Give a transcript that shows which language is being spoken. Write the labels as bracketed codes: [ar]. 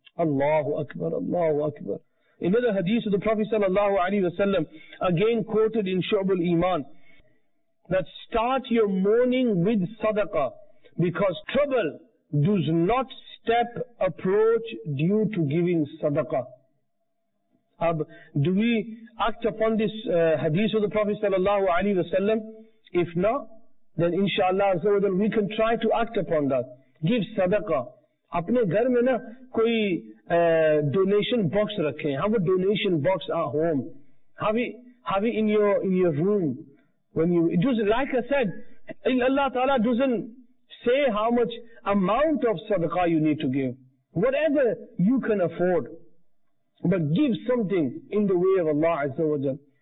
[en] Allahu Akbar, Allahu Akbar. Another hadith of the Prophet sallallahu alayhi wa sallam, again quoted in Shu'abul Iman, that start your mourning with sadaqah, because trouble does not step approach due to giving sadaqah. Do we act upon this hadith of the Prophet sallallahu alayhi wa sallam? If not, then inshallah, so then we can try to act upon that. Give sadaqah. [ur] اپنے گھر میں نا کوئی donation box رکھے۔ [en] Have a donation box at home. Have it in your room. When you, it just, like I said, Allah Ta'ala doesn't say how much amount of sadaqah you need to give. Whatever you can afford. But give something in the way of Allah Azza wa Jalla.